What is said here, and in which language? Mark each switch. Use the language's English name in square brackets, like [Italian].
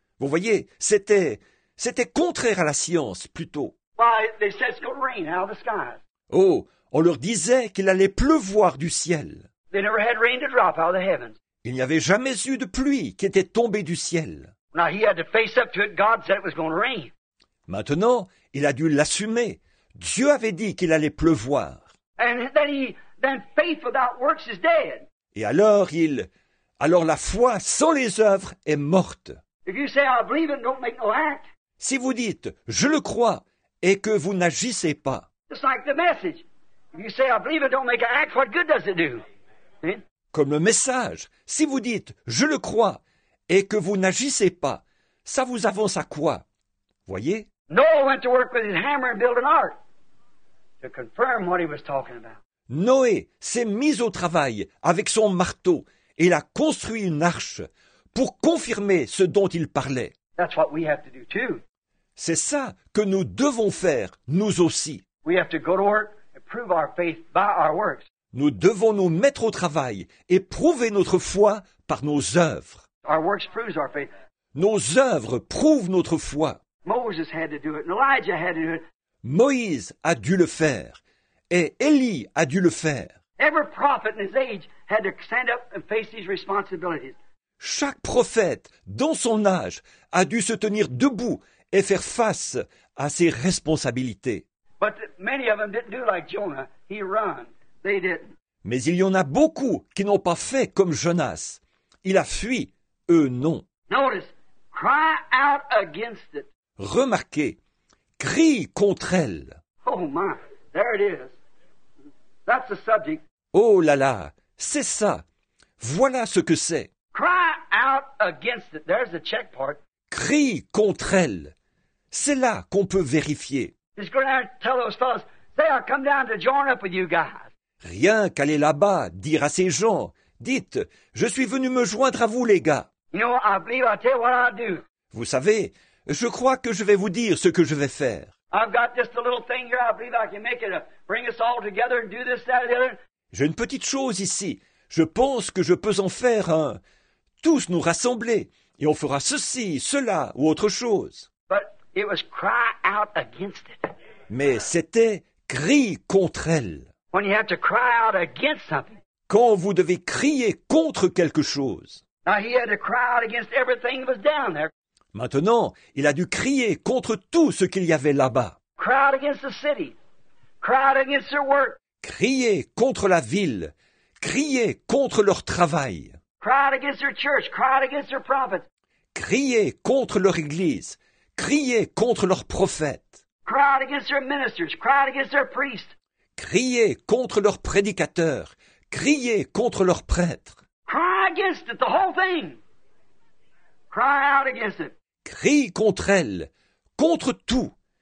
[French] Vous voyez, c'était contraire à la science, plutôt. [English] Why, they said it's going to rain out of the skies. [French] Oh, on leur disait qu'il allait pleuvoir du ciel. [English] They never had rain to drop out of the heavens. [French] Il n'y avait jamais eu de pluie qui était tombée du ciel. [English] Now he had to face up to it. God said it was going to rain. [French] Maintenant, il a dû l'assumer. Dieu avait dit qu'il allait pleuvoir. [English] And then faith without works is dead. [French] Et alors la foi sans les œuvres est morte. [English] If you say, I believe it, don't make no act. [French] Si vous dites, je le crois, et que vous n'agissez pas. [English] It's like the message. If you say, I believe it, don't make an act, what good does it do? [French] Comme le message, si vous dites, je le crois, et que vous n'agissez pas, ça vous avance à quoi? Voyez? [English] Noah went to work with his hammer and built an ark to confirm what he was talking about. [French] Noé s'est mis au travail avec son marteau et il a construit une arche pour confirmer ce dont il parlait. [English] That's what we have to do too. [French] C'est ça que nous devons faire, nous aussi. [English] We have to go to work and prove our faith by our works. [French] Nous devons nous mettre au travail et prouver notre foi par nos œuvres. [English] Our works proves our faith. [French] Nos œuvres prouvent notre foi. [English] Moses had to do it and Elijah had to do it. [French] Moïse a dû le faire. Et Élie a dû le faire. [English] Every prophet in his age had to stand up and face these responsibilities. [French] Chaque prophète, dans son âge, a dû se tenir debout et faire face à ses responsabilités. [English] But many of them didn't do like Jonah. He ran. They didn't. [French] Mais il y en a beaucoup qui n'ont pas fait comme Jonas. Il a fui. Eux, non. [English] Notice, Cry out against it. [French] Remarquez, crie contre elle. [English] Oh my, there it is. That's the subject. [French] Oh là là, c'est ça. Voilà ce que c'est. [English] Cry out against it. There's the check part. [French] Crie contre elle. C'est là qu'on peut vérifier. [English] He's going to tell those fellows, say I'll come down to join up with you guys. [French] Rien qu'aller là-bas, dire à ces gens, dites, je suis venu me joindre à vous, les gars. [English] You know, I believe I'll tell you what I'll do. [French] Vous savez, je crois que je vais vous dire ce que je vais faire. [English] I've got just a little thing here. I believe I can make it bring us all together and do this, that, and the other. [French] J'ai une petite chose ici. Je pense que je peux en faire un. Tous nous rassembler et on fera ceci, cela ou autre chose. [English] But it was cry out against it. [French] Mais c'était crier contre elle. [English] When you have to cry out against something. [French] Quand vous devez crier contre quelque chose. [English] Now he had to cry out against everything that was down there. [French] Maintenant, il a dû crier contre tout ce qu'il y avait là-bas. [English] Cry out against the city. Cry out against their work. [French] Crier contre la ville. Crier contre leur travail. [English] Cry out against their church. Cry out against their prophets. [French] Crier contre leur église. Crier contre leurs prophètes. [English] Cry out against their ministers. Cry out against their priests. [French] Crier contre leurs prédicateurs. Crier contre leurs prêtres. [English] Cry against it, the whole thing. Cry out against it. [French] Crie contre elle, contre tout.